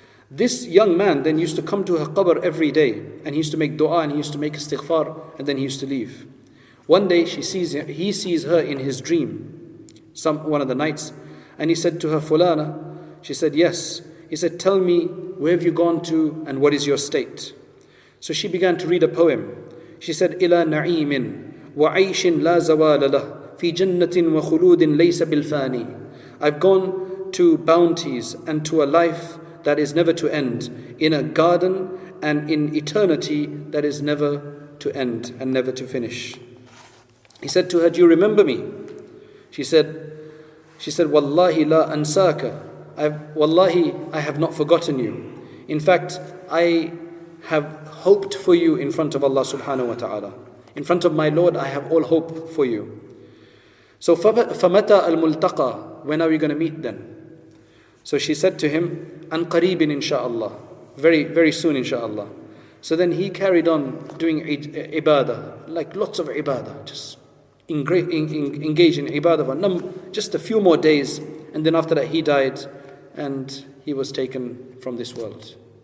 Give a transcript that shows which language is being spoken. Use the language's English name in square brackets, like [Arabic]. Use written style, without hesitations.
[English] This young man then used to come to her qabr every day, and he used to make dua and he used to make istighfar, and then he used to leave. One day he sees her in his dream, one of the nights, and he said to her, Fulana. She said, yes. He said, tell me, where have you gone to and what is your state? So she began to read a poem. She said, [Arabic] إِلَى نَعِيمٍ وَعَيْشٍ لَا زَوَالَ لَهُ فِي جَنَّةٍ وَخُلُودٍ لَيْسَ بِالْفَانِي. [English] I've gone to bounties and to a life that is never to end, in a garden and in eternity that is never to end and never to finish. He said to her, do you remember me? She said, She said, [Arabic] Wallahi la ansaka. [English] Wallahi, I have not forgotten you. In fact, I have hoped for you in front of Allah subhanahu wa ta'ala. In front of my Lord, I have all hope for you. So, [Arabic] فَمَتَى الْمُلْتَقَى. [English] When are we going to meet then? So she said to him, [Arabic] أَنْ قَرِيبٍ [English] inshaAllah. Very, very soon inshaAllah. So then he carried on doing ibadah, like lots of ibadah, just engage in ibadah for just a few more days, and then after that he died and he was taken from this world.